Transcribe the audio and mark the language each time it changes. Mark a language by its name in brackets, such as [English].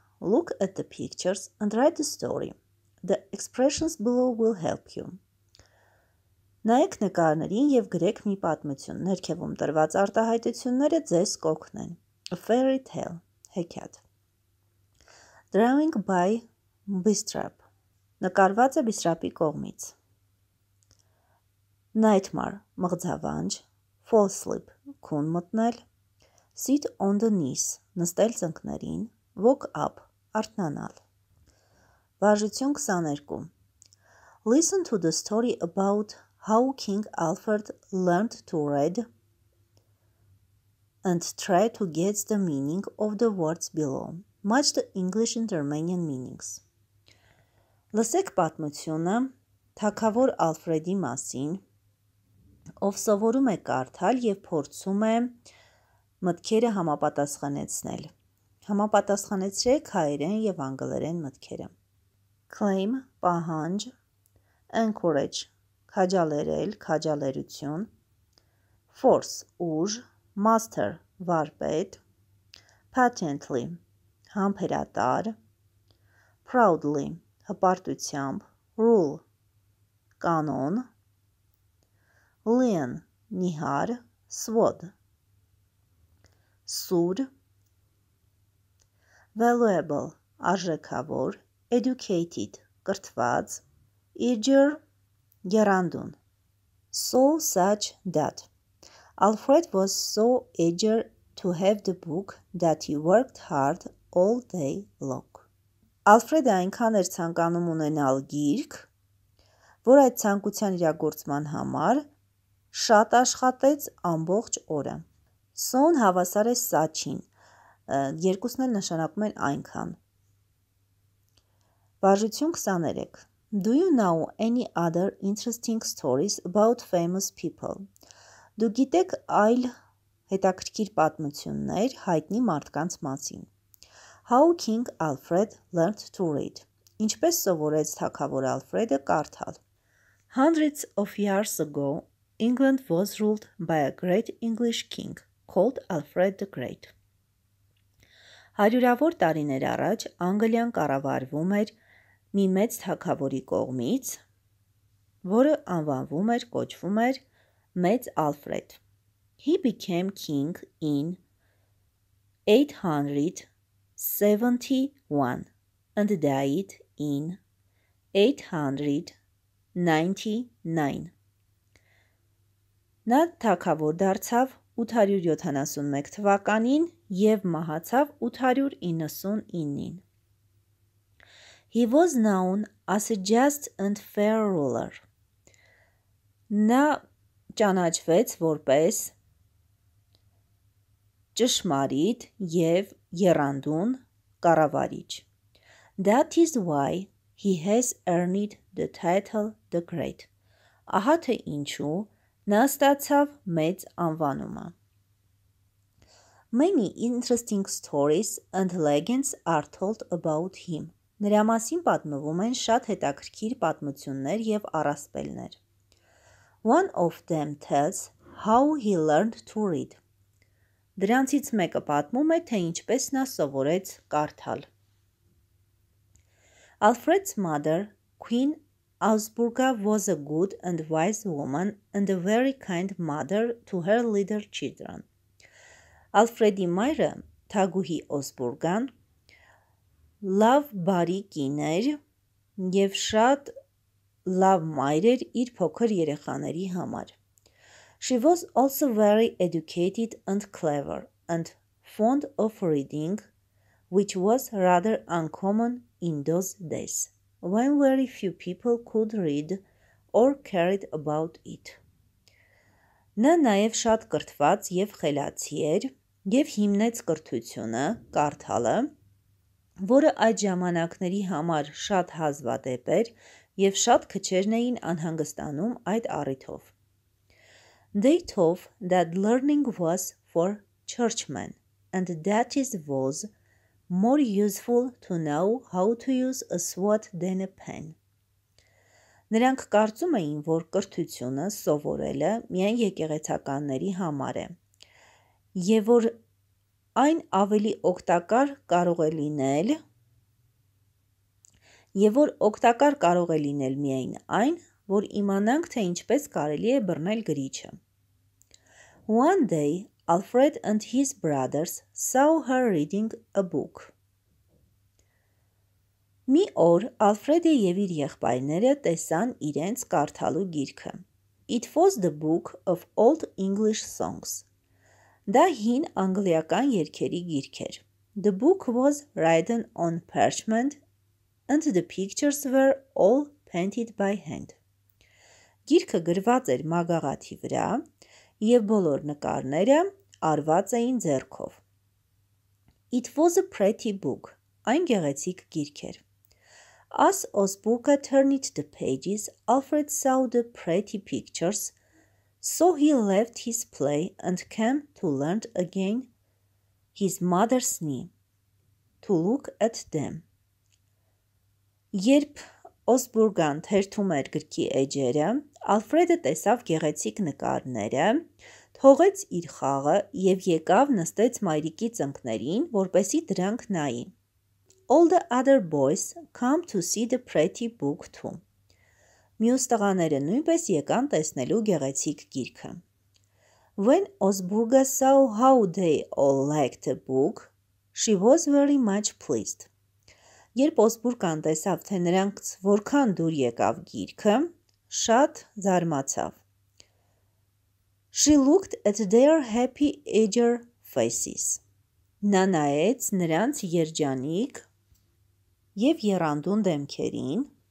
[English] Look at the pictures and write the story. The expressions below will help you. [Armenian] Նայեք նկարներին և գրեք մի պատմություն, ներքևում տրված արտահայտությունները ձեզ կօգնեն. [English] A fairy tale. [Armenian] Հեքիաթ. [English] Drawing by Bistrap. [Armenian] Նկարված է Bistrap-ի կողմից. [English] Nightmare. [Armenian] Մղձավանջ. [English] Fall asleep. [Armenian] Քուն մտնել. [English] Sit on the knees. [Armenian] Նստել ծնկներին. [English] Walk up. [Armenian] Արթնանալ. Վարժություն 22. [English] Listen to the story about how King Alfred learned to read and try to guess the meaning of the words below. Match the English and Romanian meanings. [Armenian] Լսեք պատմությունը թագավոր Ալֆրեդի մասին, ով սովորում է կարդալ և փորձում է մտքերը համապատասխանեցնել. Համապատասխանեցրեք հայերեն և անգլերեն մտքերը. [English] Claim, պահանջ, encourage, քաջալերել, քաջալերություն, force, ուժ, master, վարպետ, patently, համբերատար, proudly, հպարտությամբ, rule, կանոն, lean, նիհար, sword, [Armenian] սուր, valuable, արժեքավոր, educated, կրթված, eager, գերանդուն. [English] So such that. Alfred was so eager to have the book that he worked hard all day long. [Armenian] Ալֆրեդը այնքան էր ցանկանում ունենալ գիրք, որ այդ ցանկության իրագործման համար շատ աշխատեց ամբողջ օրը. Son հավասար է such-ին, երկուսն էլ նշանակում են այնքան. Վարժություն 23. [English] Do you know any other interesting stories about famous people? [Armenian] Դու գիտեք այլ հետաքրքիր պատմություններ հայտնի մարդկանց մասին. [English] How King Alfred learned to read. [Armenian] Ինչպես սովորեց թագավոր Ալֆրեդը կարդալ. [English] Hundreds of years ago, England was ruled by a great English king called Alfred the Great. [Armenian] Հարյուրավոր տարիներ առաջ Անգլիան կառավարվում էր մի մեծ թագավորի կողմից, որը անվանվում էր, կոչվում էր Մեծ Ալֆրեդ. [English] He became king in 871 and died in 899. [Armenian] Նա թագավոր դարձավ 871 թվականին և մահացավ 899-ին. [English] He was known as a just and fair ruler. [Armenian] Նա ճանաչվեց որպես ճշմարիտ և երանդուն կառավարիչ. [English] That is why he has earned the title the Great. [Armenian] Ահա թե ինչու նա ստացավ մեծ անվանումը. [English] Many interesting stories and legends are told about him. [Armenian] Նրա մասին պատմվում են շատ հետաքրքիր պատմություններ և առասպելներ. [English] One of them tells how he learned to read. [Armenian] Դրանցից մեկը պատմում է, թե ինչպես նա սովորեց կարդալ. [English] Alfred's mother, Queen Augsburga, was a good and wise woman and a very kind mother to her little children. [Armenian] Ալֆրեդի մայրը, թագուհի Օսբուրգան, լավ բարի կիներ և շատ լավ մայր էր իր փոքր երեխաների համար. [English] She was also very educated and clever and fond of reading, which was rather uncommon in those days, when very few people could read or cared about it. [Armenian] Նա նաև շատ կրթված և խելացի էր և հիմնեց կրթությունը, կարդալը, որը այդ ժամանակների համար շատ հազվադեպ էր և շատ քչերն էին անհանգստանում այդ առիթով. [English] They taught that learning was for churchmen, and that it was more useful to know how to use a sword than a pen. [Armenian] Նրանք կարծում էին, որ կրթությունը սովորելը միայն եկեղեցականների համար է, և որ այն ավելի օգտակար կարող է լինել, եւ որ օգտակար կարող է լինել միայն այն, որ իմանանք թե ինչպես կարելի է բռնել գրիչը. [English] One day, Alfred and his brothers saw her reading a book. [Armenian] Մի օր Ալֆրեդը եւ իր եղբայրները տեսան իրենց կարդալու գիրքը. [English] It was the book of old English songs. [Armenian] Դա հին անգլիական երգերի գիրք էր. [English] The book was written on parchment and the pictures were all painted by hand. [Armenian] Գիրքը գրված էր մագաղաթի վրա եւ բոլոր նկարները արված էին ձեռքով. [English] It was a pretty book. [Armenian] Այն գեղեցիկ գիրք էր. [English] As Osbuka turned the pages, Alfred saw the pretty pictures, so he left his play and came to learn again his mother's knee, to look at them. [Armenian] Երբ Օսբուրգան թերթում էր գրքի էջերը, Ալֆրեդը տեսավ գեղեցիկ նկարները, թողեց իր խաղը եւ եկավ նստեց մայրիկի ծնկներին, որպեսի դրանք նայի։ [English] All the other boys come to see the pretty book too. [Armenian] Մյուս տղաները նույնպես եկան տեսնելու գեղեցիկ գիրքը. [English] When Osburga saw how they all liked the book, she was very much pleased. [Armenian] Երբ Օսբուրգան տեսավ, թե նրանց որքան դուր եկավ գիրքը, շատ զարմացավ. [English] She looked at their happy eager faces. [Armenian] Նա նայեց նրանց երջանիկ Եվ երանդուն դեմքերին,